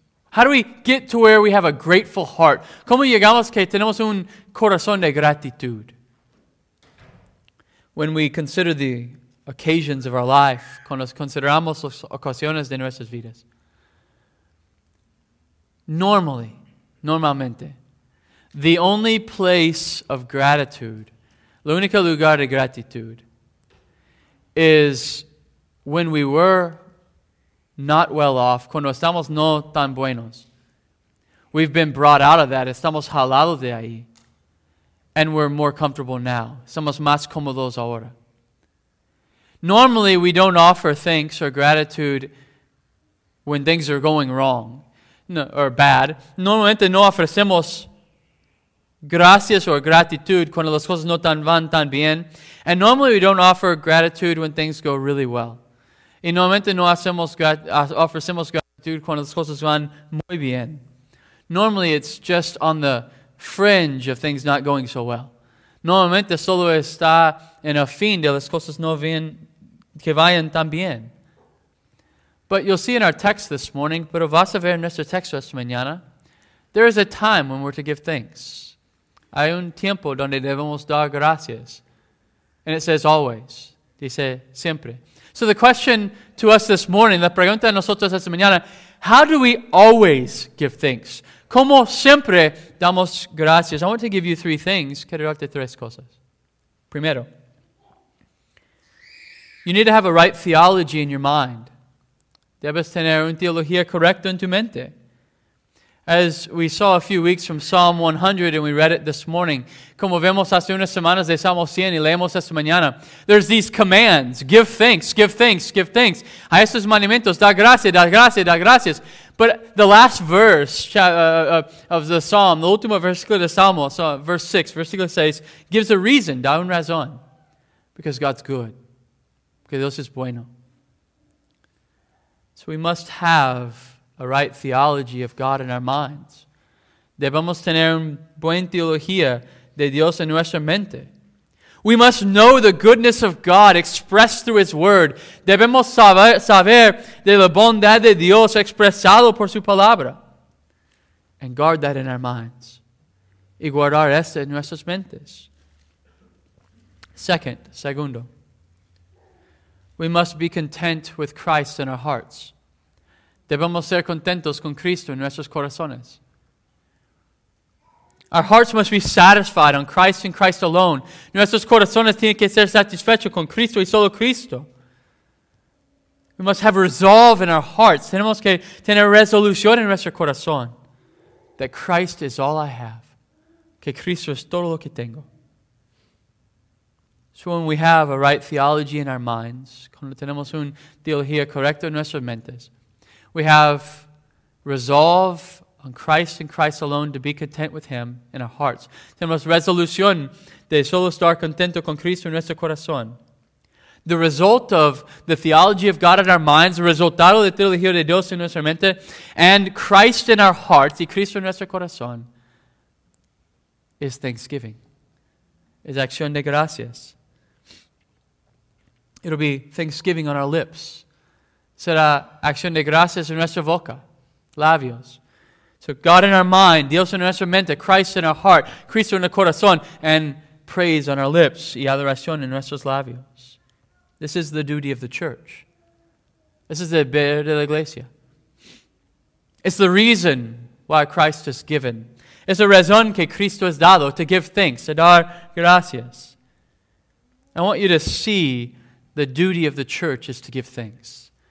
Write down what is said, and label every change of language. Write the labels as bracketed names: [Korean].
[English] How do we get to where we have a grateful heart? [Spanish] ¿Cómo llegamos que tenemos un corazón de gratitud? [English] When we consider the occasions of our life, [Spanish] cuando consideramos las ocasiones de nuestras vidas, normalmente, [English] the only place of gratitude, [Spanish] el único lugar de gratitud, [English] is when we were not well off, [Spanish] cuando estamos no tan buenos. [English] We've been brought out of that, [Spanish] estamos jalados de ahí, [English] and we're more comfortable now. [Spanish] Somos más cómodos ahora. [English] Normally, we don't offer thanks or gratitude when things are going wrong. No, or bad. [Spanish] Normalmente no ofrecemos gracias o gratitud cuando las cosas no van tan bien. [English] And normally we don't offer gratitude when things go really well. [Spanish] Y normalmente no ofrecemos gratitud cuando las cosas van muy bien. [English] Normally it's just on the fringe of things not going so well. [Spanish] Normalmente solo está en el fin de las cosas no bien, que vayan tan bien. [English] But you'll see in our text this morning, [Spanish] pero vas a ver en nuestro texto esta mañana, [English] there is a time when we're to give thanks. [Spanish] Hay un tiempo donde debemos dar gracias. [English] And it says always. [Spanish] Dice siempre. [English] So the question to us this morning, [Spanish] la pregunta a nosotros esta mañana, [English] how do we always give thanks? [Spanish] ¿Cómo siempre damos gracias? [English] I want to give you three things. [Spanish] Quiero darte tres cosas. Primero, [English] you need to have a right theology in your mind. [Spanish] Debes tener una teología correcta en tu mente. [English] As we saw a few weeks from Psalm 100 and we read it this morning. [Spanish] Como vemos hace unas semanas de Salmo 100 y leemos esta mañana. [English] There's these commands. Give thanks, give thanks, give thanks. [Spanish] A estos mandamientos, da gracias, da gracias, da gracias. [English] But the last verse of the Psalm, [Spanish] the último versículo de Salmo, [English] verse 6, [Spanish] versículo 6, [English] gives a reason, [Spanish] da un razón. [English] Because God's good. [Spanish] Porque Dios es bueno. [English] So we must have a right theology of God in our minds. [Spanish] Debemos tener una buena teología de Dios en nuestra mente. [English] We must know the goodness of God expressed through His Word. [Spanish] Debemos saber de la bondad de Dios expresado por su palabra. [English] And guard that in our minds. [Spanish] Y guardar esto en nuestras mentes. Segundo. [English] We must be content with Christ in our hearts. [Spanish] Debemos ser contentos con Cristo en nuestros corazones. [English] Our hearts must be satisfied on Christ and Christ alone. [Spanish] Nuestros corazones tienen que ser satisfechos con Cristo y solo Cristo. [English] We must have resolve in our hearts. [Spanish] Tenemos que tener resolución en nuestro corazón. [English] That Christ is all I have. [Spanish] Que Cristo es todo lo que tengo. [English] So when we have a right theology in our minds, [Spanish] cuando tenemos una teología correcta en nuestras mentes, [English] we have resolve on Christ and Christ alone, to be content with Him in our hearts. [Spanish] Tenemos resolución de solo estar contento con Cristo en nuestro corazón. [English] The result of the theology of God in our minds, [Spanish] el resultado de teología de Dios en nuestra mente, [English] and Christ in our hearts, [Spanish] y Cristo en nuestro corazón, [English] is thanksgiving. [Spanish] Es acción de gracias. [English] It'll be thanksgiving on our lips. [Spanish] Será acción de gracias en nuestra boca, labios. [English] So God in our mind, [Spanish] Dios en nuestra mente, [English] Christ in our heart, [Spanish] Cristo en el corazón, [English] and praise on our lips, [Spanish] y adoración en nuestros labios. [English] This is the duty of the church. This is the [Spanish] deber de la iglesia. [English] It's the reason why Christ is given. [Spanish] Es la razón que Cristo es dado, [English] to give thanks, to [Spanish] dar gracias. [English] I want you to see the duty of the church is to give thanks.